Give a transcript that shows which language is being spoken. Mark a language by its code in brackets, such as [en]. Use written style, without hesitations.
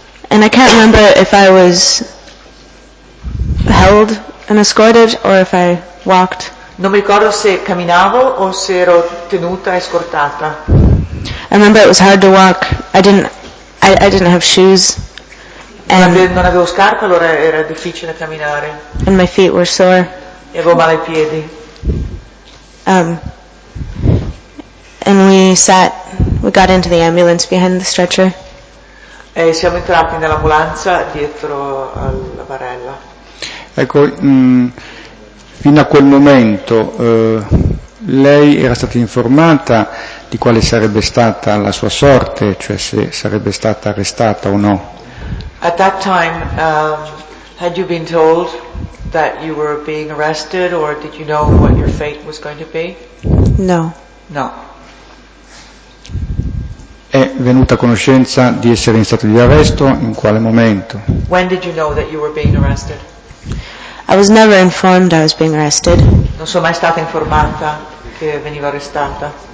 [en] And I can't remember if I was held and escorted or if I walked. [it] Non mi ricordo se camminavo o se ero tenuta e scortata. [en] I remember it was hard to walk. I didn't have shoes. [it] Non avevo scarpe, allora era difficile camminare. [en] And my feet were sore. [it] E avevo male ai piedi. [en] And we got into the ambulance behind the stretcher. [it] E siamo entrati nell'ambulanza dietro alla barella. Ecco. Fino a quel momento lei era stata informata di quale sarebbe stata la sua sorte, cioè se sarebbe stata arrestata o no? [en] At that time, had you been told that you were being arrested or did you know what your fate was going to be? No. [it] No. È venuta a conoscenza di essere in stato di arresto in quale momento? [en] When did you know that you were being arrested? I was never informed I was being arrested. [it] Non sono mai stata informata che venivo arrestata.